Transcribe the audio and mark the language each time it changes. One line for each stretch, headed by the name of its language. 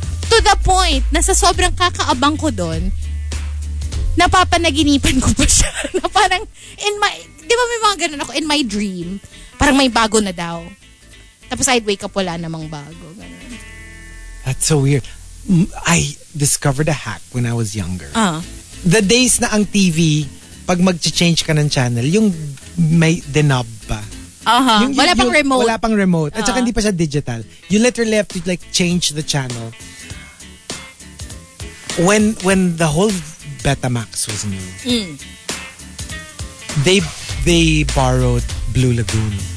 Filipino: To the point na sa sobrang kakaabang ko doon, napapanaginipan ko pa siya. Na parang, in my, di ba may mga ganun ako,
English: in my dream,
Filipino: parang may bago na daw.
English: Tapos I'd wake up,
Filipino: wala namang bago. Ganun.
English: That's so weird. I discovered a hack when I was younger.
Filipino: The days na ang TV, pag mag-change ka ng channel, yung may dinob ba? Wala pang remote. At saka hindi pa siya digital.
English: You literally have to like change the channel. When the whole Betamax was new, they borrowed Blue Lagoon.